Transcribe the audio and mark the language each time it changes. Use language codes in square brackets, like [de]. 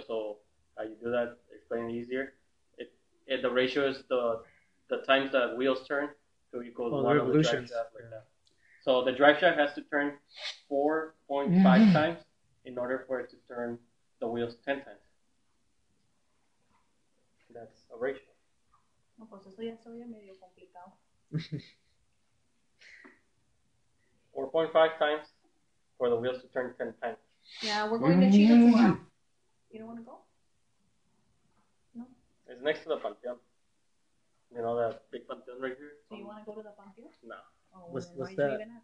[en] So how you do that, explain it easier. It the ratio is the times that wheels turn. So you go one of the drive shaft like that. So the drive shaft has to turn 4.5 times in order for it to turn the wheels 10 times. That's a ratio. [es] No, pues eso ya se oye medio complicado. [en] 4.5 times for the wheels to turn 10 times. Yeah, we're going to Chile tomorrow. You don't want to go? No. It's next to the Panteon. You know that big Panteon right here? Do you want to go to the Panteon? No. Oh, what's that?